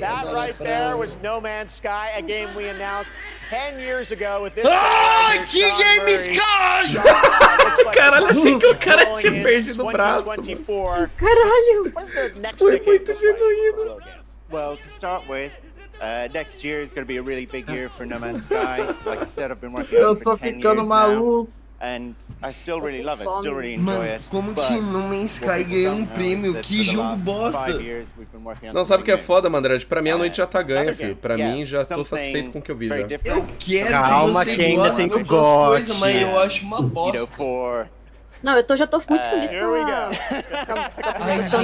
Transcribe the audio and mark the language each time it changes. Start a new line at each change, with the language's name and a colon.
English: That right there was No Man's Sky, a game we announced 10 years ago with this.
Portuguese: AAAAAAAH! Que game Sky! Caralho, achei que o cara tinha perdido o braço. Caralho! Foi muito genuíno.
English: Well, to start with, Next year is going to be a really big year for No Man's Sky. Like I said, I've been working on it for 10 years maluco. Now. And I still really love it, still really enjoy it.
Portuguese: Como que No Man's Sky ganhou um prêmio? Que jogo bosta! Não, sabe o que é foda, Mandred? Pra mim a noite já tá ganha, filho. Pra mim já tô satisfeito com o que eu vi, já. Eu quero calma que você goste. Eu gosto de coisa, mas eu acho uma bosta. Não, eu já tô muito feliz com a...